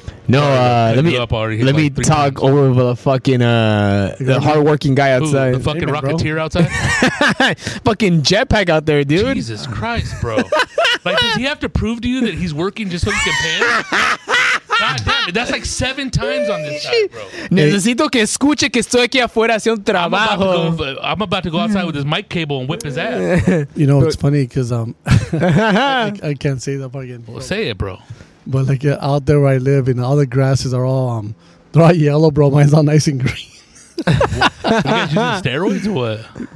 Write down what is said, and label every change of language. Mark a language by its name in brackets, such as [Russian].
[English] No, let me talk over the fucking the hardworking guy outside. Ooh, the fucking rocketeer outside? Fucking jetpack out there, dude. Jesus Christ, bro. Like, does he have to prove to you that he's working just so he can pay? God damn it. That's like seven times on this side, bro. [Spanish] Necesito que escuche que estoy aquí afuera haciendo trabajo. [English] I'm about to go outside with his mic cable and whip his ass. You know, it's funny because I can't say that part again. Well, say it, bro. But like out there where I live, and all the grasses are all they're all yellow, bro. Mine's all nice and green. You guys using steroids or what?